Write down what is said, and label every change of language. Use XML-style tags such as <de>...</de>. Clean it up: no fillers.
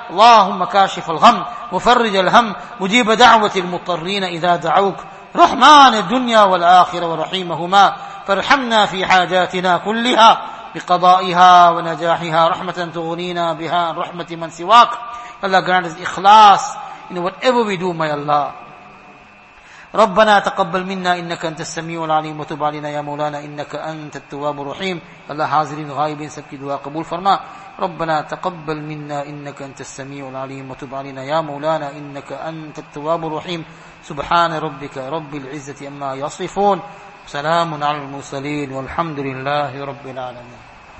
<ar>اللهم كاشف الغم مفرج الهم مجيب دعوة المضطرين إذا دعوك رحمن الدنيا والآخرة ورحيمهما فارحمنا في حاجاتنا كلها بقضائها ونجاحها رحمة تغنينا بها رحمة من سواك.</ar> <en>Allah grant us إخلاص in whatever we do, my Allah.</en> <ar>ربنا تقبل منا إنك أنت السميع العليم وتب علينا يا مولانا إنك أنت التواب الرحيم. Allah</ar> <ur>حاضرين غائبين سبك دعاء قبول فرما.</ur> <ar>ربنا تقبل منا إنك أنت السميع العليم وتب علينا يا مولانا إنك أنت التواب الرحيم. سبحان ربك رب العزة أما يصفون. سلام على المرسلين والحمد لله رب العالمين.</ar>